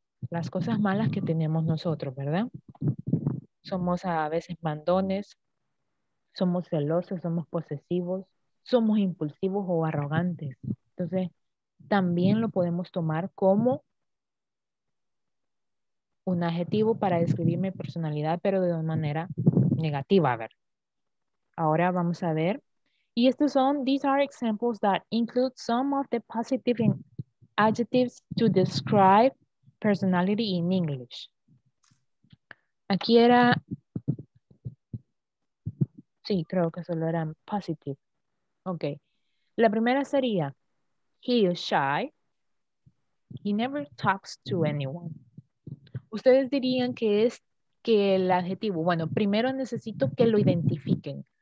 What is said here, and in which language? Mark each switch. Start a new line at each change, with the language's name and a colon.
Spanish: Las cosas malas que tenemos nosotros, ¿verdad? Somos a veces mandones, somos celosos, somos posesivos, somos impulsivos o arrogantes. Entonces, también lo podemos tomar como un adjetivo para describir mi personalidad, pero de una manera negativa. A ver, ahora vamos a ver. Y estos son,
English: these are examples that include some of the positive adjectives to describe personality in English.
Spanish: Aquí era, sí, creo que solo eran positive. Ok. La primera sería,
English: he is shy. He never talks to anyone.
Spanish: Ustedes dirían que es que el adjetivo, bueno, primero necesito que lo identifiquen.